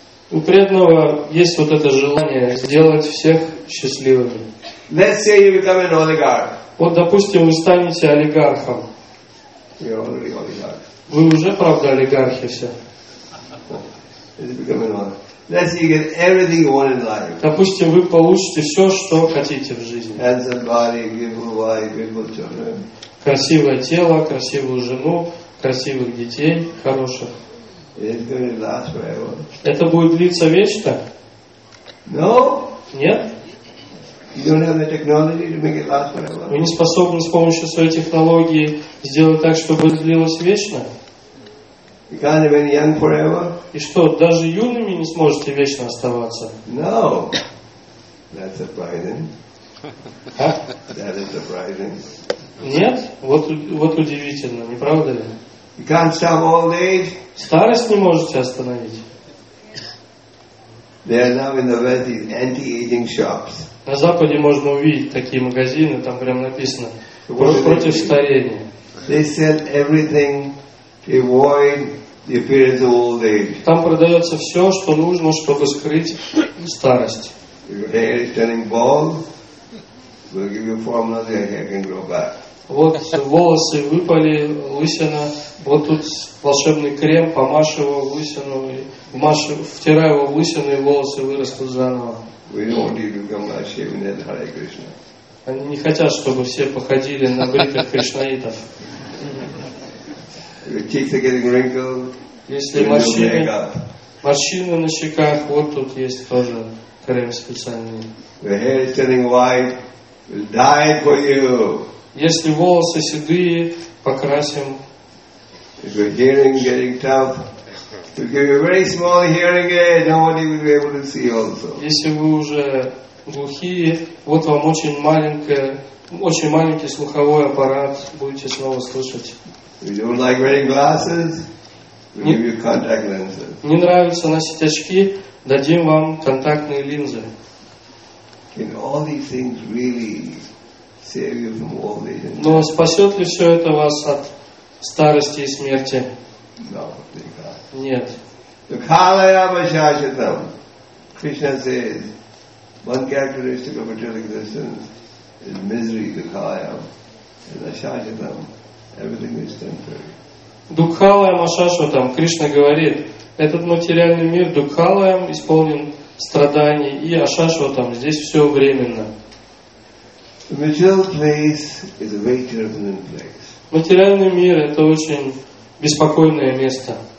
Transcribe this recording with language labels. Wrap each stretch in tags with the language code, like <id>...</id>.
<ru>У преданного есть вот это желание сделать всех счастливыми.</ru> <en>Let's say you become an oligarch.</en> <ru>Вот, допустим, вы станете олигархом.</ru> <en>You're already oligarch.</en> <ru>Вы уже, правда, олигархи все.</ru> <en>Let's say you get everything you want in life.</en> <ru>Допустим, вы получите все, что хотите в жизни.</ru> <en>Handsome body, beautiful wife, beautiful children.</en> <ru>Красивое тело, красивую жену, красивых детей, хороших.</ru> <en>It's going to last forever.</en> <ru>Это будет длиться вечно?</ru> <en>No.</en> <ru>Нет?</ru> <en>You don't have the technology to make it last forever.</en> <ru>Вы не способны с помощью своей технологии сделать так, чтобы это длилось вечно?</ru> <en>You can't remain young forever.</en> <ru>И что, даже юными не сможете вечно оставаться?</ru> <en>No. That's surprising. That is surprising.</en> <ru>Нет? Вот удивительно, не правда ли?</ru> <en>You can't stop old age.</en> <ru>Старость не можете остановить.</ru> <en>They are now in the West in anti-aging shops.</en> <ru>На Западе можно увидеть такие магазины, там прям написано против старения.</ru> <en>They sell everything to avoid the appearance of old age.</en> <ru>Там продается все, что нужно, чтобы скрыть старость.</ru> <en>Your hair is turning bald. We'll give you a formula so your hair can grow back.</en> <ru>Вот волосы выпали, лысина. Вот тут волшебный крем, помажь его в лысину, втирай его в лысину, и волосы вырастут заново.</ru> <en>We don't want you to become like shaved Hare Krishna.</en> <ru>Они не хотят, чтобы все походили на бритых кришнаитов.</ru> <en>Your cheeks are getting wrinkled.</en> <ru>Если морщины на щеках, вот тут есть тоже крем специальный.</ru> <en>Your hair is turning white. We'll dye it for you.</en> <ru>Если волосы седые, покрасим.</ru> <en>If your hearing is getting tough. To give you a very small hearing aid, nobody will be able to see also.</en> <ru>Если вы уже глухие, вот вам очень маленький слуховой аппарат, будете снова слышать.</ru> <en>If you don't like wearing glasses, we'll give you contact lenses.</en> <ru>Не нравится носить очки, дадим вам контактные линзы.</ru> <en>Can all these things really save you from old age?</en> <ru>Но спасет ли все это вас от старости и смерти?</ru> <en>No.</en> <ru>Нет.</ru> <en>The Kalaya Vashashatam. Krishna says, one characteristic of material existence is misery, the Kalaya. And Vashashatam, everything is temporary.</en> <ru>Dukhalaya Vashashatam, Krishna говорит, этот материальный мир Dukhalaya исполнен страданий, и Ашашватам, здесь все временно.</ru> <en>The material place is a very turbulent place.</en> <ru>Материальный мир – это очень беспокойное место.</ru>